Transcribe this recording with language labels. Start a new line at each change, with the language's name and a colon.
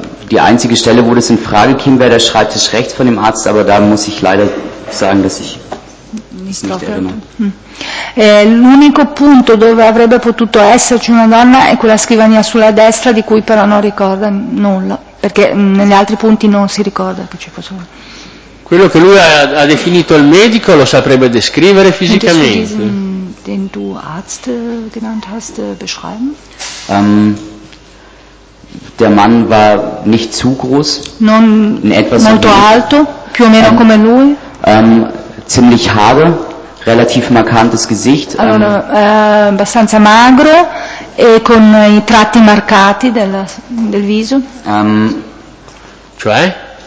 German: Die einzige Stelle, wo das in Frage käme, wäre der Schreibtisch rechts von dem Arzt, aber da muss ich leider sagen, dass ich
Italian: L'unico punto dove avrebbe potuto esserci una donna è quella scrivania sulla destra, di cui però non ricorda nulla, perché negli altri punti non si ricorda che ci fosse. Quello che lui ha definito il medico lo saprebbe descrivere fisicamente.
German: Den du Arzt genannt hast, beschreiben? Der Mann war nicht zu groß,
Italian: non
German: in etwas
Italian: molto alto, più o meno come lui.
German: Ziemlich hager, relativ markantes Gesicht.
Italian: Allora, abbastanza magro e con i tratti marcati del viso. Cioè?